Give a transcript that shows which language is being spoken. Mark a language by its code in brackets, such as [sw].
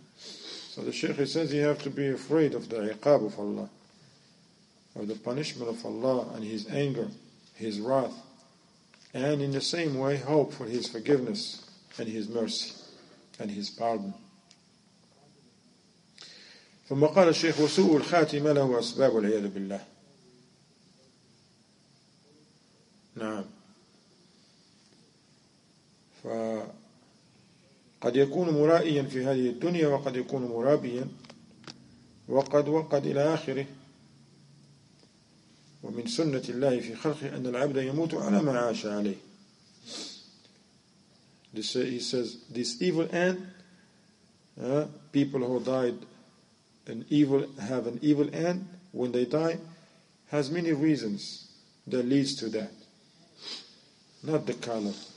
[en] So the Shaykh says you have to be afraid of the iqab of Allah, of the punishment of Allah and His anger, His wrath, and in the same way hope for His forgiveness and His mercy and His pardon. [ar] ثم قال الشيخ وسوء الخاتمة له أسباب والعياذ بالله. نعم. فقد يكون مرائيا في هذه الدنيا وقد يكون مرابيا وقد إلى آخره. ومن سنة الله في خلقه أن العبد يموت على ما عاش عليه. [en] This, he says, this evil end, people who died an evil, have an evil end when they die, has many reasons that leads to that. Not the color.